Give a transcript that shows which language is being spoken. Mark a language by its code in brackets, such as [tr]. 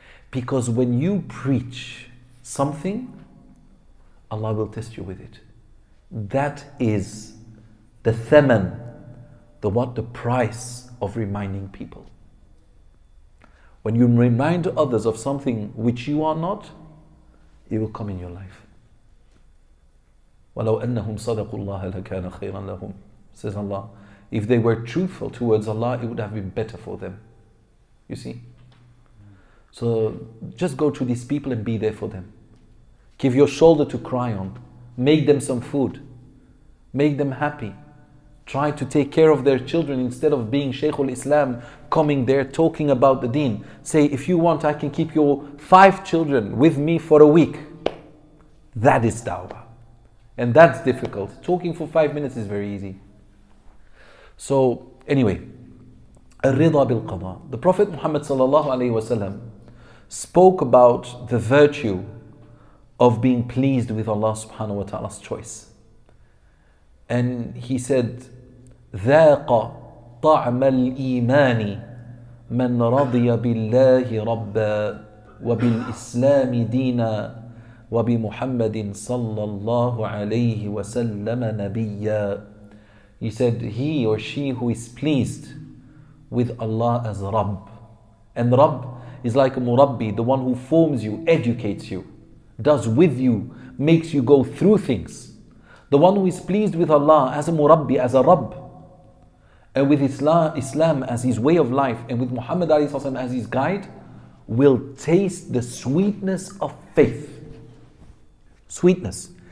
[en] Because when you preach something, Allah will test you with it. That is the thaman, the price of reminding people. When you remind others of something which you are not, it will come in your life. [ar] وَلَوْ أَنَّهُمْ صَدَقُوا اللَّهَ لَكَانَ خَيْرًا لَهُمْ, [en] says Allah. If they were truthful towards Allah, it would have been better for them. You see? So just go to these people and be there for them. Give your shoulder to cry on. Make them some food. Make them happy. Try to take care of their children instead of being Shaykhul Islam, coming there talking about the deen. Say, if you want, I can keep your 5 children with me for a week. That is tawbah. And that's difficult. Talking for 5 minutes is very easy. So anyway, [ar] الرضا بالقضاء. [en] The Prophet Muhammad sallallahu alaihi wasallam spoke about the virtue of being pleased with Allah subhanahu wa ta'ala's choice. And he said, [ar] ذَاقَ طَعْمَ الْإِيمَانِ مَنْ رَضِيَ بِاللَّهِ رَبَّا وَبِالْإِسْلَامِ دِينًا وَبِمُحَمَّدٍ صَلَّى اللَّهُ عَلَيْهِ وَسَلَّمَ نَبِيًّا. [en] He said, he or she who is pleased with Allah as Rabb. And Rabb is like a murabbi, the one who forms you, educates you, does with you, makes you go through things. The one who is pleased with Allah as a murabbi, as a Rabb, and with Islam as his way of life, and with Muhammad as his guide, will taste the sweetness of faith. Sweetness.